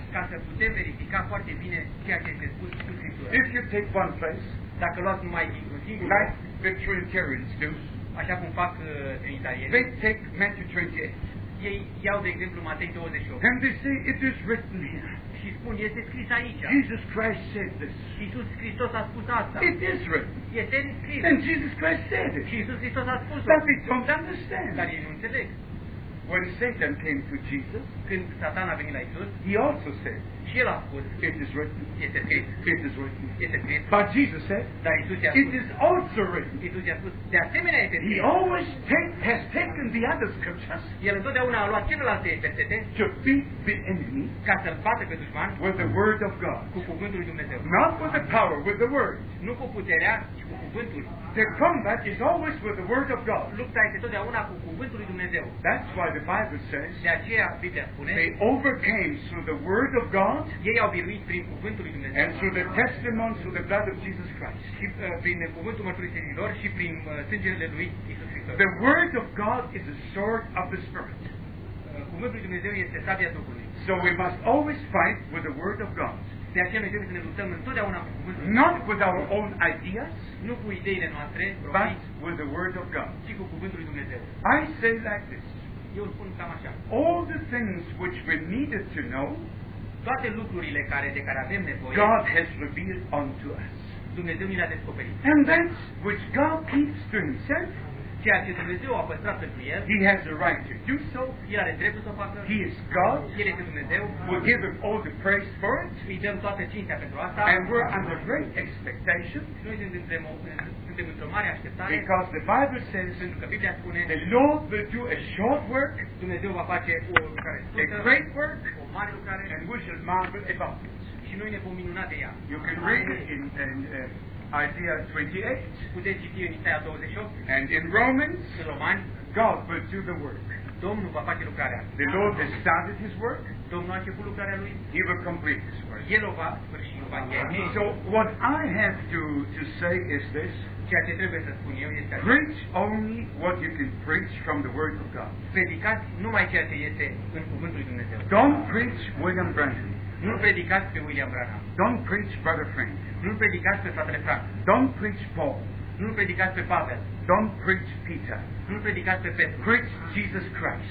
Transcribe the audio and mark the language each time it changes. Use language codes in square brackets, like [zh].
[ro] Ca să putem verifica foarte bine ceea ce este spus în Scriptură. [en] If you take one place, [ro] dacă luați numai dintr-un singur loc, [en] the Trinitarians do, [ro] așa cum fac Trinitarieni, [en] they take Matthew 28. [ro] Ei iau de exemplu Matei 28. [en] And they say it is written here. [ro] Și spun, este scris aici. [en] Jesus Christ said this. [ro] Iisus Hristos a spus asta. [en] It is written. [ro] Este scris. [en] And Jesus Christ said it. [ro] Iisus Hristos a spus. [en] But they don't understand. [ro] Dar ei nu înțeleg. [en] When Satan came to Jesus, [ro] când Satan a venit la Iisus, [en] he also said, [ro] și el a spus, [en] it is written. [ro] Este scris. [en] It is written. [ro] Este scris. [en] But Jesus said, [ro] dar Iisus i-a spus, [en] it is also written. [ro] Iisus i-a spus, de asemenea este scris. [en] He always has taken the other scriptures. [ro] El întotdeauna a luat celelalte versete. [en] To beat the enemy. [ro] Ca să-l bată pe dușman. [en] With the word of God. [ro] Cu cuvântul lui Dumnezeu. [en] Not with the power, with the word. [ro] Nu cu puterea, ci cu cuvântul. [en] The combat is always with the word of God. [ro] Lupta este totdeauna cu cuvântul lui Dumnezeu. [en] That's why the Bible says. [ro] De aceea Biblia spune. [en] They overcame through the word of God. [ro] Ei au biruit prin cuvântul lui Dumnezeu. [en] And through the testimony through the blood of Jesus Christ. [ro] Și prin cuvântul mărturisirilor și prin sângele lui Isus Hristos. [en] The word of God is the sword of the spirit. [ro] Cuvântul lui Dumnezeu este sabia Duhului. [en] So we must always fight with the word of God. [ro] De aceea noi trebuie să ne luptăm întotdeauna cu cuvântul. [en] Not with our own ideas, [ro] nu cu ideile noastre, [en] but with the word of God, [ro] ci cu cuvântul lui Dumnezeu. [en] I say like this, [ro] eu spun cam așa. [en] All the things which we needed to know, [ro] toate lucrurile de care avem nevoie, [en] God has revealed unto us. [ro] Dumnezeu mi le-a descoperit. [en] And that which God keeps to himself, [ro] ceea ce Dumnezeu a păstrat pentru el, [en] he has the right to do so. [ro] El are dreptul să o facă. [en] He is God. [ro] El este Dumnezeu. [en] We give him all the praise for it. [ro] Îi dăm toată cinstea pentru asta. [en] And we're under great expectation. [ro] Noi suntem într-o mare așteptare. [en] Because the Bible says, [ro] pentru că Biblia spune, [en] the Lord will do a short work. [ro] Dumnezeu va face o lucrare scurtă. [en] A great work. [ro] O mare lucrare. [en] And we shall marvel about it. [ro] Și noi ne vom minuna de ea. [en] You can read it in Isaiah 28. [ro] Puteți citi în Isaia 28. [en] And in Romans, [ro] în Romani, [en] God will do the work. [ro] Domnul va face lucrarea. [en] The Lord has started his work. [ro] Domnul a început lucrarea lui. [en] He will complete his work. [ro] El o va sfârși, o va încheia. [en] So what I have to say is this. [ro] Ceea ce trebuie să spun eu este acest. [en] Preach only what you can preach from the word of God. [ro] Predicați numai ceea ce este în cuvântul lui Dumnezeu. [en] Don't preach William Branham. [ro] Nu predicați pe William Branham. [en] Don't preach Brother Frank. [ro] Nu predicați pe fratele Frank. [en] Don't preach Paul. [ro] Nu predicați pe Pavel. [en] Don't preach Peter. [ro] Nu predicați pe Petru. [en] Preach Jesus Christ.